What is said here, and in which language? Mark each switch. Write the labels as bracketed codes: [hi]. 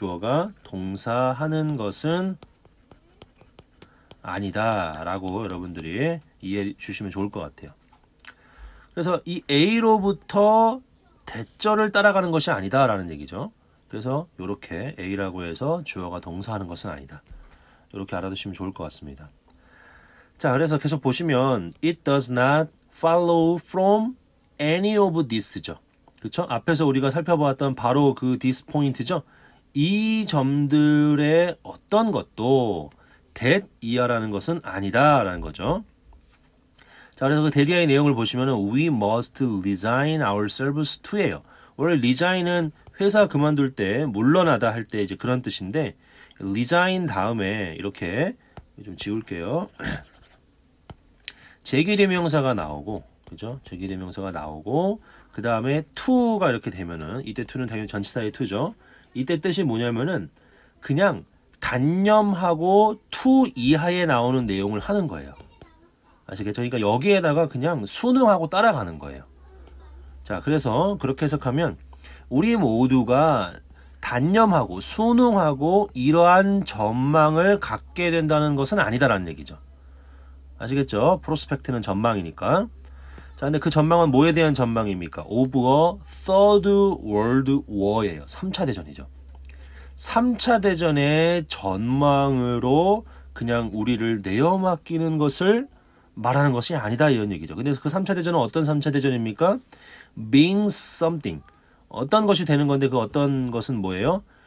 [ko] 주어가 동사하는 것은 아니다라고 여러분들이 이해해 주시면 좋을 것 같아요. 그래서 이 A로부터 대절을 따라가는 것이 아니다라는 얘기죠. 그래서 이렇게 A라고 해서 주어가 동사하는 것은 아니다. 이렇게 알아두시면 좋을 것 같습니다. 자, 그래서 계속 보시면 [en] it does not follow from any of this죠. [ko] 그렇죠? 앞에서 우리가 살펴보았던 바로 그 [en] this point [ko] 죠. 이 점들의 어떤 것도 that 이하라는 것은 아니다라는 거죠. 자, 그래서 그 대디아의 내용을 보시면은 [en] we must resign ourselves to [ko] 예요. 원래 resign은 회사 그만둘 때, 물러나다 할때 이제 그런 뜻인데, resign 다음에 이렇게 좀 지울게요. 재계대명사가 나오고, 그죠? 재계대명사가 나오고, 그 다음에 to가 이렇게 되면은, 이때 to는 당연히 전치사의 to죠. 이때 뜻이 뭐냐면은, 그냥 단념하고 to 이하에 나오는 내용을 하는 거예요. 아시겠죠? 그러니까 여기에다가 그냥 순응하고 따라가는 거예요. 자, 그래서 그렇게 해석하면, 우리 모두가 단념하고 순응하고 이러한 전망을 갖게 된다는 것은 아니다라는 얘기죠. 아시겠죠? 프로스펙트는 전망이니까. 자, 근데 그 전망은 뭐에 대한 전망입니까? [en] Of a Third World War예요. [ko] 3차 대전이죠. 3차 대전의 전망으로 그냥 우리를 내어맡기는 것을 말하는 것이 아니다 이런 얘기죠. 근데 그 3차 대전은 어떤 3차 대전입니까? [en] Being something. [ko] 어떤 것이 되는 건데 그 어떤 것은 뭐예요?